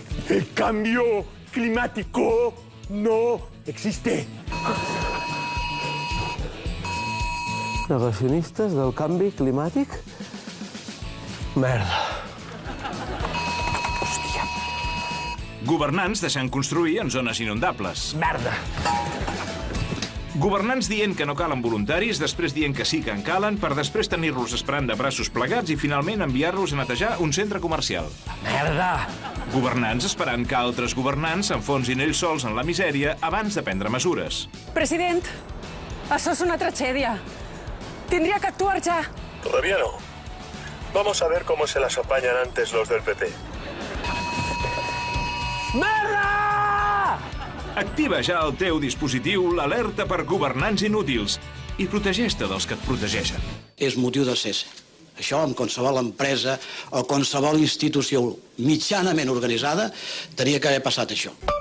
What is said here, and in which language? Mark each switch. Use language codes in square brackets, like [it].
[es] El cambio climático no existe. [ca] Negacionistes del canvi climàtic? Merda. Hòstia. Governants deixant construir en zones inundables. Merda. Governants dient que no calen voluntaris, després dient que sí que en calen, per després tenir-los esperant de braços plegats i finalment enviar-los a netejar un centre comercial. Merda! Governants esperant que altres governants s'enfonsin ells sols en la misèria abans de prendre mesures. President, això és una tragèdia. Tindria que actuar ja. [es] Todavía no. Vamos a ver cómo se las apañan antes los del PP. [ca] Merda! Activa ja el teu dispositiu, l'alerta per governants inútils, i protegeix-te dels que et protegeixen. És motiu de cesse. Això, amb qualsevol empresa o qualsevol institució mitjanament organitzada, tenia que haver passat això.